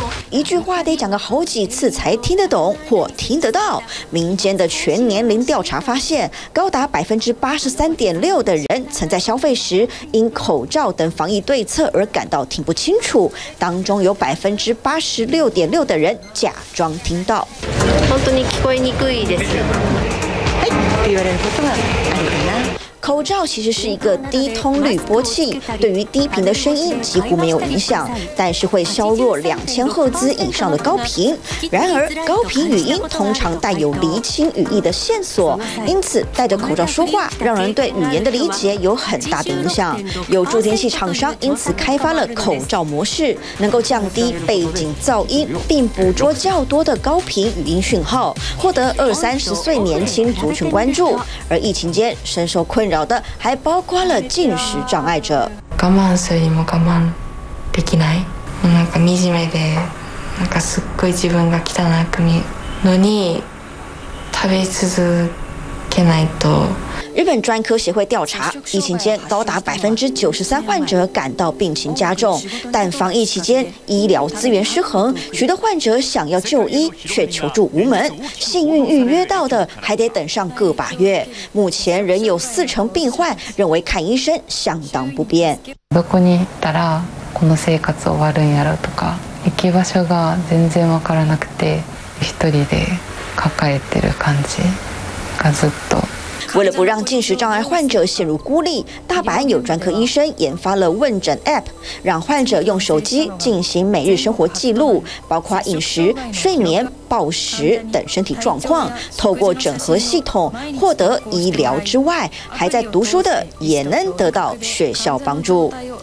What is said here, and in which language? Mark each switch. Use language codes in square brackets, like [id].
[zh] 一句话得讲个好几次才听得懂或听得到。民间的全年龄调查发现，高达83.6%的人曾在消费时因口罩等防疫对策而感到听不清楚，当中有86.6%的人假装听到。 [ja] 本当に聞こえにくいです。はい、って言われることはあるかな。 [zh] 口罩其实是一个低通滤波器，对于低频的声音几乎没有影响，但是会削弱2000赫兹以上的高频。然而，高频语音通常带有厘清语义的线索，因此戴着口罩说话，让人对语言的理解有很大的影响。有助听器厂商因此开发了口罩模式，能够降低背景噪音，并捕捉较多的高频语音讯号，获得20-30岁年轻族群关注。而疫情间深受困扰的还包括了进食障碍者。 [ja] 我慢するにも我慢できない。なんか惨めで、なんかすっごい自分が汚く見えるのに食べ続けないと。 [zh] 日本专科协会调查，疫情间高达93%患者感到病情加重，但防疫期间医疗资源失衡，许多患者想要就医却求助无门，幸运预约到的还得等上个把月。目前仍有40%病患认为看医生相当不便。 [ja] どこに行ったらこの生活終わるんやろとか、行き場所が全然わからなくて、一人で抱えてる感じがずっと。 [zh] 为了不让进食障碍患者陷入孤立，大阪有专科医生研发了问诊 App， 让患者用手机进行每日生活记录，包括饮食、睡眠、暴食等身体状况。透过整合系统，获得医疗之外，还在读书的也能得到学校帮助。